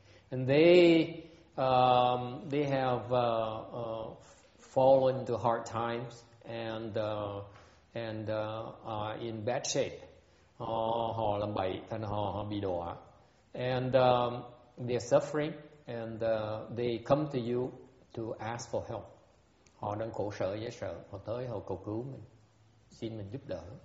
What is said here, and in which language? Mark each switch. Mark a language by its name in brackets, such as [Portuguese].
[English] And they have fallen to hard times and are in bad shape. [Vietnamese] Họ làm bậy, thành họ bị đọa. [English] And they're suffering, and they come to you to ask for help. [Vietnamese] Họ đang khổ sở, dễ sợ, họ tới họ cầu cứu mình, xin mình giúp đỡ.